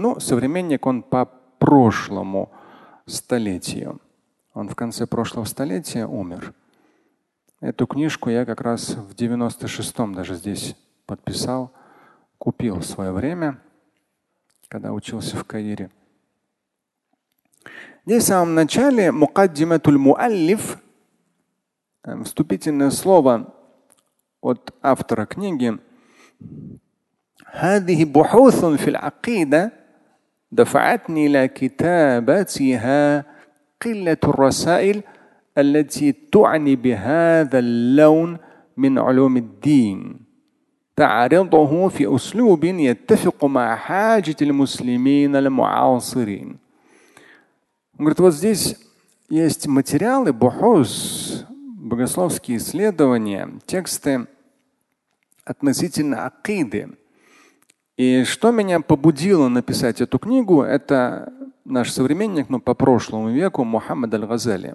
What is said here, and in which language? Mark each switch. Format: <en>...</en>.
<ru>Ну, современник он по прошлому столетию. Он в конце прошлого столетия умер. Эту книжку я как раз в 96-м даже здесь подписал, купил в свое время, когда учился в Каире. Здесь в самом начале Мукаддиматуль Муаллиф, вступительное слово от автора книги,</ru> <ar>هذه بحوث في العقيدة دفعتني إلى كتاباتها قلة الرسائل التي تعني بهذا اللون من علوم الدين تعرضه في أسلوب يتفق مع حاجة المسلمين المعاصرين.</ar> <ru>Он говорит, вот здесь есть материалы, бухус, богословские исследования, тексты относительно акиды. И что меня побудило написать эту книгу, это наш современник, но по прошлому веку, Мухаммад аль-Газали.</ru>